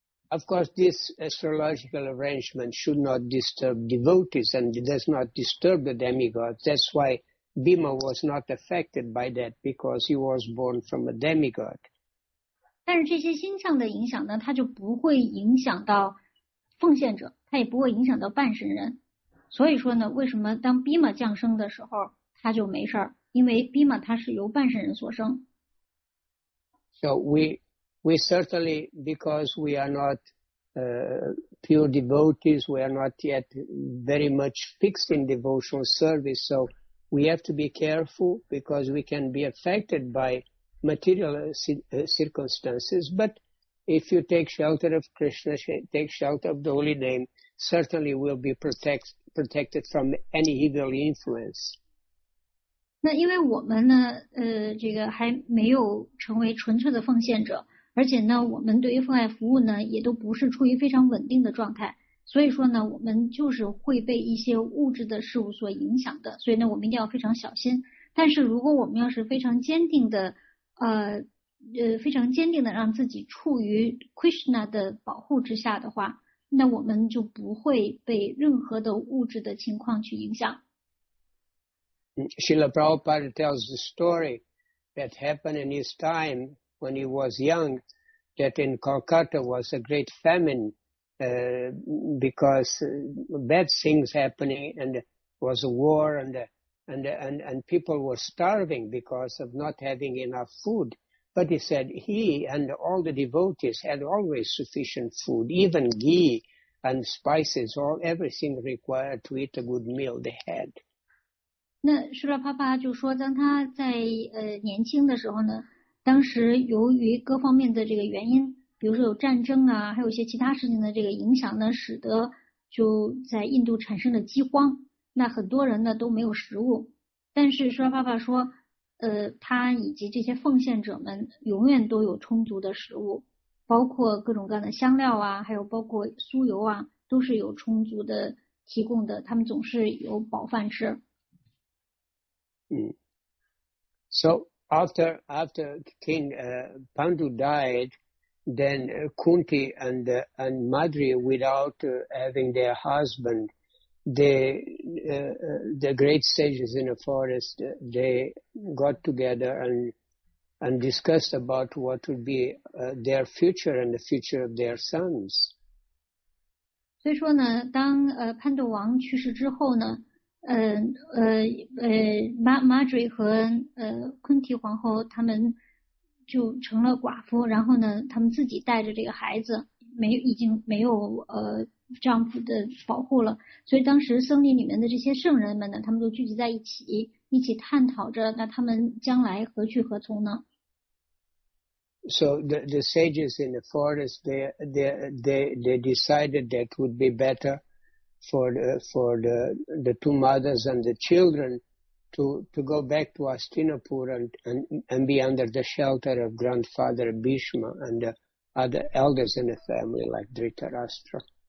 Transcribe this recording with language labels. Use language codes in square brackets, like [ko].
[en] Of course, this astrological arrangement should not disturb devotees and does not disturb the demigods. That's why Bhima was not affected by that because he was born from a demigod. [zh] 但是这些星象的影响呢，它就不会影响到奉献者，它也不会影响到半神人。所以说呢，为什么当 Bhima 降生的时候他就没事儿？因为 Bhima 他是由半神人所生。 [en] So we certainly, because we are not pure devotees, we are not yet very much fixed in devotional service, so we have to be careful because we can be affected by material circumstances. But if you take shelter of Krishna, take shelter of the holy name, certainly we'll be protected from any evil influence. [zh] 那因为我们呢，这个还没有成为纯粹的奉献者，而且呢，我们对于奉爱服务呢，也都不是处于非常稳定的状态。所以说呢，我们就是会被一些物质的事物所影响的。所以呢，我们一定要非常小心。但是如果我们要是非常坚定的，非常坚定的让自己处于 Krishna 的保护之下的话，那我们就不会被任何的物质的情况去影响。 [en] Srila Prabhupada tells the story that happened in his time when he was young, that in Calcutta was a great famine because bad things happening, and was a war, and people were starving because of not having enough food. But he said he and all the devotees had always sufficient food, even ghee and spices, all everything required to eat a good meal they had. [zh] 那舒拉帕帕就说，当他在年轻的时候呢，当时由于各方面的这个原因，比如说有战争啊，还有一些其他事情的这个影响呢，使得就在印度产生了饥荒。那很多人呢都没有食物，但是舒拉帕帕说，他以及这些奉献者们永远都有充足的食物，包括各种各样的香料啊，还有包括酥油啊，都是有充足的提供的，他们总是有饱饭吃。 [en] So after King Pandu died, then Kunti and Madri, without having their husband, the great sages in the forest, they got together and discussed about what would be their future and the future of their sons. [zh] 所以说呢，当潘度王去世之后呢。Madri 和昆提皇后他们就成了寡妇，然后呢，他们自己带着这个孩子，已经没有丈夫的保护了。所以当时僧林里面的这些圣人们呢，他们都聚集在一起探讨着，那他们将来何去何从呢 [en] ？So the sages in the forest they decided that would be better. For the two mothers and the children to go back to Hastinapur and be under the shelter of grandfather Bhishma and the other elders in the family like Dhritarashtra.